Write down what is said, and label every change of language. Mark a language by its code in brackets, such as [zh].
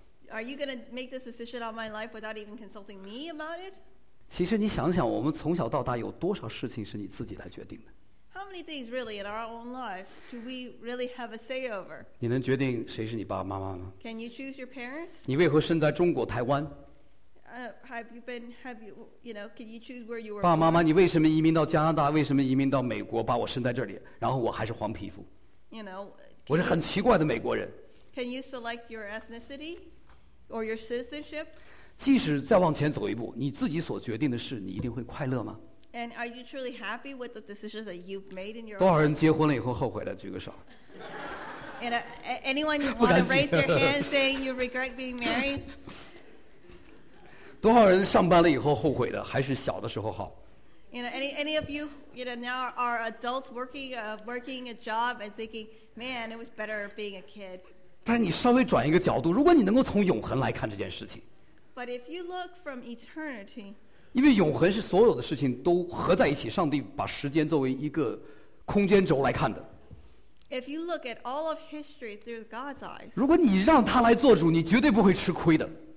[en] Are you going to make this decision on my life without even consulting me about it? [zh] 其实你想想，我们从小到大有多少事情是你自己来决定的？ [en] How many things really in our own lives do we really have a say over? [zh] 你能决定谁是你爸爸妈妈吗？ [en] Can you choose your parents? [zh] 你为何生在中国台湾？ [en] have you been, have you, you know, can you choose where you were? [zh] 爸妈妈，你为什么移民到加拿大？为什么移民到美国？把我生在这里，然后我还是黄皮肤。 [en] You know, [zh] 我是很奇怪的美国人。 [en] Can you select your ethnicity or your citizenship? [zh] 即使再往前走一步，你自己所决定的事，你一定会快乐吗？ [en] And are you truly happy with the decisions that you've made in your? [zh] 多少人结婚了以后后悔了？举个手。 [en] And anyone want to raise your hand saying you regret being married? [zh] 多少人上班了以后后悔的？还是小的时候好。 [en] You know, any of you, you know, now are adults working working a job and thinking, man, it was better being a kid. [zh] 但你稍微转一个角度，如果你能够从永恒来看这件事情。 [en] But if you look from eternity. [zh] 因为永恒是所有的事情都合在一起，上帝把时间作为一个空间轴来看的。 [en] If you look at all of history through God's eyes. [zh] 如果你让他来做主，你绝对不会吃亏的。